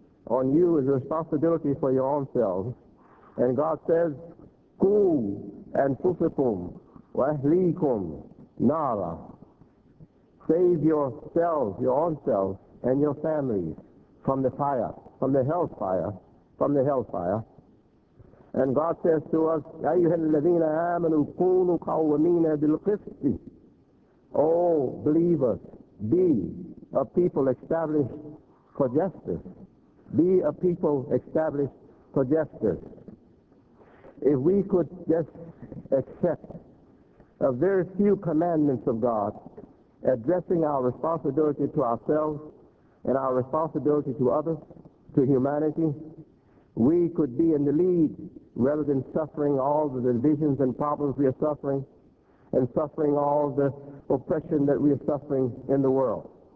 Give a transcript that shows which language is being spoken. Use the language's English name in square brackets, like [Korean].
[English] On you is responsibility for your own selves. And God says, [Arabic] koo anfusikum wa ahleekum. [English] Nara, save yourselves, your own selves, and your families from the fire, from the hellfire, from the hellfire. And God says to us, [Arabic] أَيُّهَا الَّذِينَ آمَنُوا كُونُوا قَوَّمِينَ بِالْقِسْطِ. [English] O believers, be a people established for justice. Be a people established for justice. If we could just accept a very few commandments of God, addressing our responsibility to ourselves and our responsibility to others, to humanity, we could be in the lead rather than suffering all the divisions and problems we are suffering and suffering all the oppression that we are suffering in the world.